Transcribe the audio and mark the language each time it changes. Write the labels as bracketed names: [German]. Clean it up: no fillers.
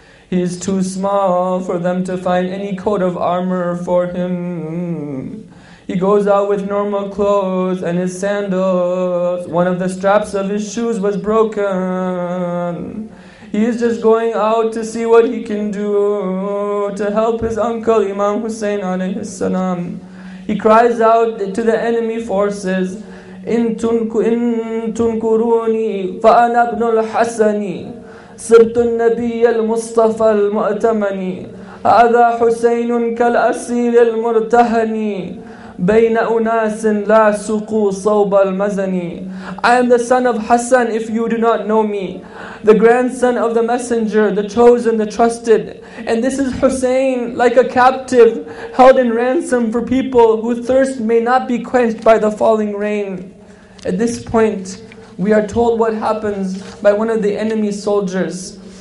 [English] He is too small for them to find any coat of armor for him. He goes out with normal clothes and his sandals. One of the straps of his shoes was broken. He is just going out to see what he can do to help his uncle Imam Hussein alayhi salam. He cries out to the enemy forces, [Arabic] إن تنكروني فأنا ابن الحسن صرت النبي المصطفى المؤتمن هذا حسين كالأسير المرتهن بين أناس لا سقوا صوب المزن. [English] I am the son of Hassan, if you do not know me, the grandson of the messenger, the chosen, the trusted. And this is Hussein, like a captive held in ransom for people whose thirst may not be quenched by the falling rain. At this point, we are told what happens by one of the enemy soldiers.